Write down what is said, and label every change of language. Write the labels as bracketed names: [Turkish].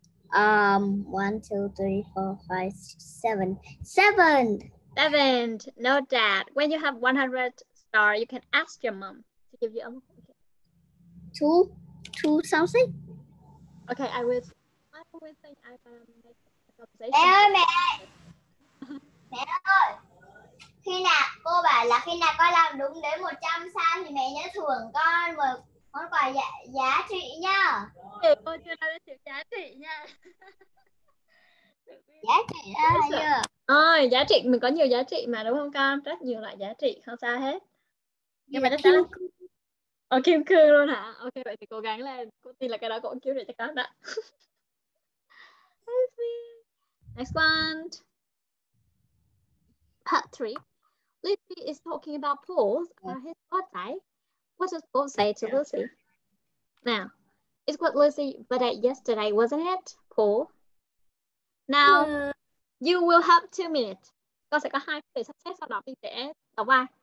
[English] 1, 2, 3, 4, 5, 6, 7. Seven. Seven. No, Dad. When you have 100 stars, you can ask your mom to give you a two something. Okay, I always think I can make a conversation. [Vietnamese] Em ơi mẹ ơi. Mẹ ơi. Khi nào cô bảo là khi nào con làm đúng đến 100 sao thì mẹ nhớ thưởng con một món quà giá trị nha. Để cô chưa nói đến chuyện giá trị nha. Giá trị đó chưa? Ôi, giá trị mình có nhiều giá trị mà đúng không con? Rất nhiều loại giá trị không sao hết. Nhưng mà chắc chắn ở kim cương luôn hả? Ok, vậy thì cố gắng lên. Cô tin là cái đó cũng cứu được cho con đó. [English] Next one. Part 3. Lucy is talking about Paul's on his birthday. What does Paul say to Lucy? Now, it's what Lucy said yesterday, wasn't it, Paul? Now, you will have 2 minutes. [Vietnamese] Con sẽ có 2 phút để sắp xếp, sau đó mình sẽ đọc qua.